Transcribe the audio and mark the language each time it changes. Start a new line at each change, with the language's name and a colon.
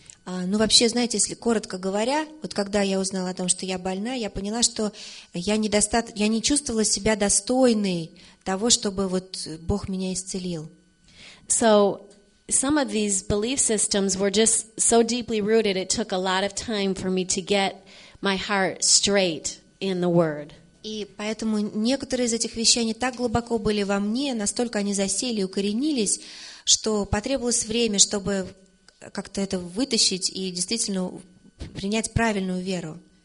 Russian: Ну вообще, знаете, если коротко говоря, вот когда я узнала о том, что я больна, я поняла, что я не чувствовала себя достойной того, чтобы вот Бог меня исцелил.
English: So some of these belief systems were just so deeply rooted, it took a lot of time for me to get my heart straight in the Word.
Russian: И поэтому некоторые из этих вещей, они так глубоко были во мне, настолько они засели и укоренились, что потребовалось время, чтобы как-то это вытащить и действительно принять правильную веру.